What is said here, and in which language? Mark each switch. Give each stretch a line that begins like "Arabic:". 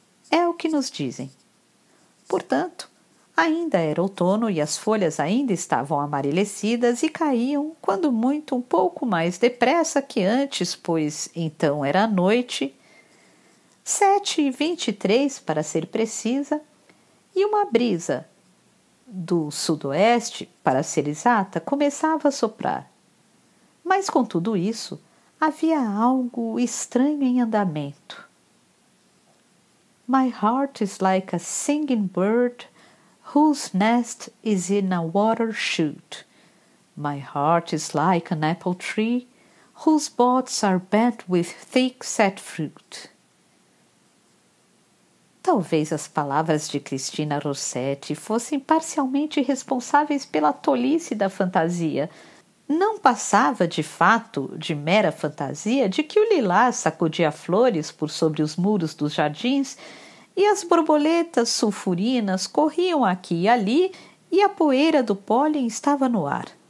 Portuguese: É o que nos dizem. Portanto, ainda era outono e as folhas ainda estavam amarelecidas e caíam, quando muito, um pouco mais depressa que antes, pois então era noite, 7h23 para ser precisa, e uma brisa do sudoeste, para ser exata, começava a soprar. Mas com tudo isso, havia algo estranho em andamento.
English: My heart is like a singing bird whose nest is in a water shoot. My heart is like an apple tree whose buds are bent with thick set fruit.
Portuguese: Talvez as palavras de Cristina Rossetti fossem parcialmente responsáveis pela tolice da fantasia. Não passava, de fato, de mera fantasia, de que o lilás sacudia flores por sobre os muros dos jardins e as borboletas sulfurinas corriam aqui e ali e a poeira do pólen estava no ar.